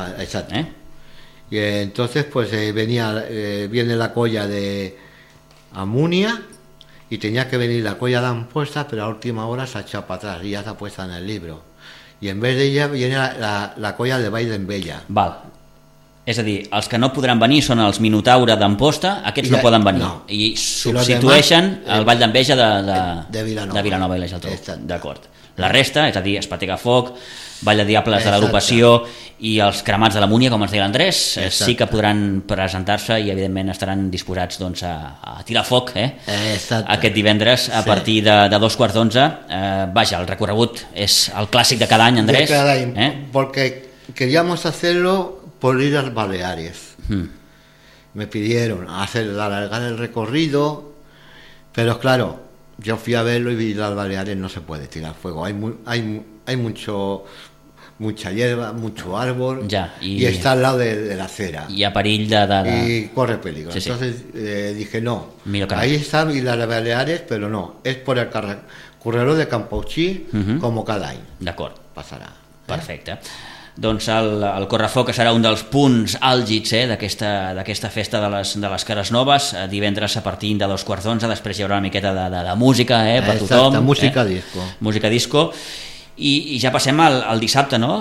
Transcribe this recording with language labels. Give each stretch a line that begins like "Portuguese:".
Spanish: Exacto. Y entonces pues viene la colla de Amunia y tenía que venir la colla de Ampuesta, pero a última hora se ha echado para atrás y ya está puesta en el libro. Y en vez de ella viene la colla de Baile en Vella.
Catalan: Val. És a dir, els que no podran venir són els Minotaure d'Amposta, aquests no poden venir. No. I substitueixen i demás, el Ball d'en Vella de Vilanova. De Vilanova i la Geltrú. D'acord. La resta, és a dir, Espetegafoc, Ball de Diables. Exacte. De l'Agrupació i els Cremats de la Múnia, com es deia l'Andrés, sí que podran presentar-se i evidentment estaran disposats doncs, a tirar foc aquest divendres a partir de 11:15. Vaja, el recorregut és el clàssic de cada any, Andrés. De cada any, perquè
Spanish: queríamos hacerlo por ir a Baleares. Me pidieron alargar el recorrido, pero claro, yo fui a verlo y vi las Baleares, no se puede tirar fuego, hay mucho mucha hierba, mucho árbol, ya, y está al lado de la acera.
Catalan: Y a perill de...
Spanish: Y corre peligro. Sí, entonces dije, no, ahí está y las Baleares, pero no, es por el Corredor de Campouchí, como cada año.
Catalan: D'acord. Passarà. Perfecte. Doncs el Correfoc serà un dels punts àlgids d'aquesta festa de les Cares Noves, divendres a partir de 2:15, després hi haurà una miqueta de música per exacte, tothom. Exacte, música disco. Música disco. I ja passem al dissabte, no?